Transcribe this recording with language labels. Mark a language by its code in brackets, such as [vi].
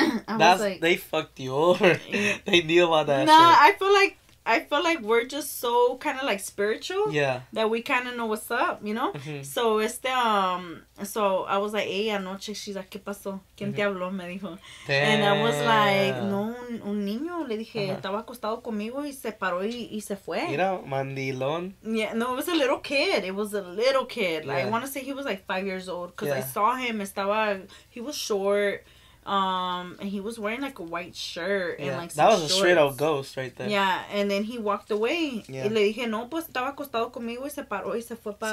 [en] That's, like, they fucked you over. They knew about that nah, shit. I feel like we're just so kind of like spiritual. Yeah. That we kind of know what's up, you know? Mm-hmm. So it's the, so I was like, hey, [es] anoche. [en] She's like, [es] ¿qué pasó? ¿Quién te habló? Me dijo. [en] Damn. And I was like, no, [es] un niño. Le dije, estaba acostado conmigo y se paró y se fue. Mira, mandilón. [en] Yeah, no, it was a little kid. It was a little kid. Like, yeah. I want to say he was like 5 years old because I saw him. [es] Estaba, [en] he was short. And he was wearing like a white shirt and like some that was shorts. A straight out ghost right there. Yeah, and then he walked away. Yeah. [es] Y le dije, no, pues estaba acostado conmigo y se paró y se fue para.